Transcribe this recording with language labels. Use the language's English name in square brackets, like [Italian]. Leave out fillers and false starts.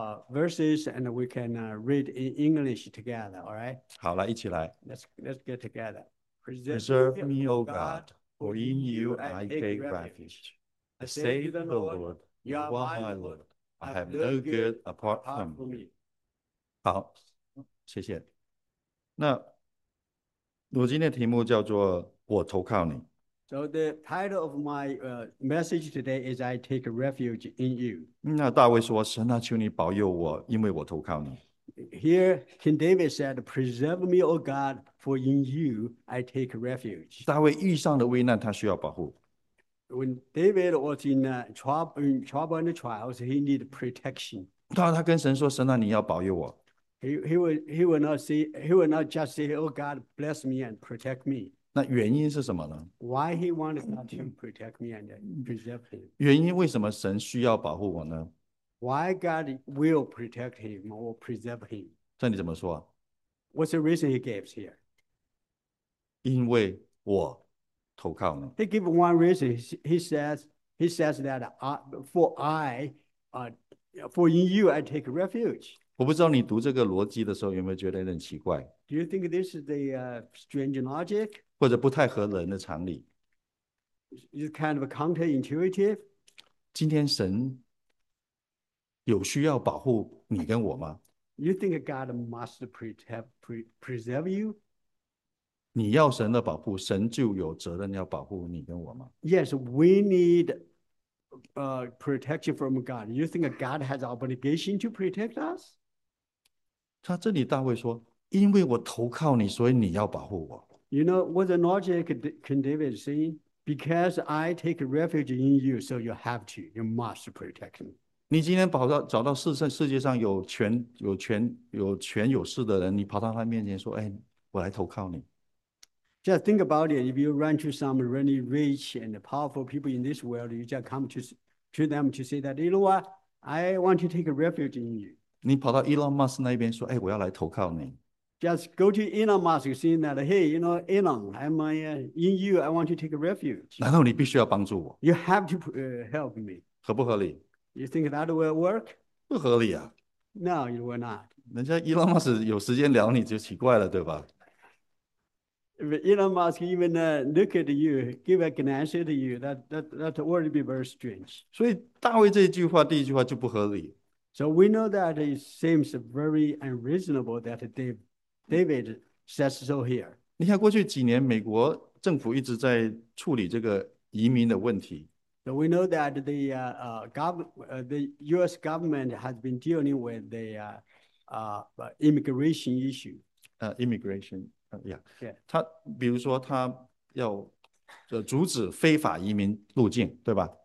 [English] verses and we can read in English together, all right? [Chinese] 好了，一起来。 [English] Let's get together. Preserve me, O God, for in you I take refuge. I say to the Lord, you are my Lord. I have no good apart from you. [Chinese] 好，谢谢。那我今天的题目叫做我投靠你。 [English] So the title of my message today is I take refuge in you. [Chinese] 那大卫说，神啊，求你保佑我，因为我投靠你。 [English] Here, King David said, preserve me, O God, for in you I take refuge. [Chinese] 大卫遇上的危难，他需要保护。 [English] When David was in trouble and trials, he needed protection. [Chinese] 他跟神说，神啊，你要保佑我。 [English] He would not just say, Oh God, bless me and protect me. [Chinese] 那原因是什么呢？ [English] Why he wanted God to protect me and preserve him? [Chinese] 原因为什么神需要保护我呢？ [English] Why God will protect him or preserve him? [Chinese] 这你怎么说？ [English] What's the reason he gives here? [Chinese] 因为我投靠你。 [English] He gives one reason. He says that for in you I take refuge. [Chinese] 我不知道你读这个逻辑的时候有没有觉得有点奇怪。 [English] Do you think this is the strange logic? [Chinese] 或者不太合人的常理。 [English] It's kind of a counterintuitive. [Chinese] 今天神有需要保护你跟我吗？ [English] You think God must preserve you? [Chinese] 你要神的保护，神就有责任要保护你跟我吗？ [English] Yes, we need protection from God. You think God has obligation to protect us? [Chinese] 他这里大卫说，因为我投靠你，所以你要保护我。 [English] You know what the logic King David is saying? Because I take refuge in you, so you have to, you must protect me. [Chinese] 你今天跑到找到世界上有权有势的人，你跑到他面前说，哎，我来投靠你。 [English] Just think about it. If you run to some really rich and powerful people in this world, you just come to them to say that, you know what? I want to take refuge in you. [Chinese] 你跑到 Elon Musk 那边说，哎，我要来投靠你。 [English] Just go to Elon Musk saying that, hey, you know, Elon, I'm in you, I want to take refuge. [Chinese] 难道你必须要帮助我？ [English] You have to help me. [Chinese] 合不合理？ [English] You think that will work? [Chinese] 不合理啊。 [English] No, it will not. [Chinese] 人家 Elon Musk 有时间聊你就奇怪了，对吧？ [English] If Elon Musk even look at you, give a glance at you, that would be very strange. [Chinese] 所以大卫这句话，第一句话就不合理。 [English] So we know that it seems very unreasonable that David says so here. [Chinese] 你看过去几年，美国政府一直在处理这个移民的问题。 [English] So we know that the U.S. government has been dealing with the immigration issue. Immigration. [Chinese] 他比如说他要阻止非法移民入境，对吧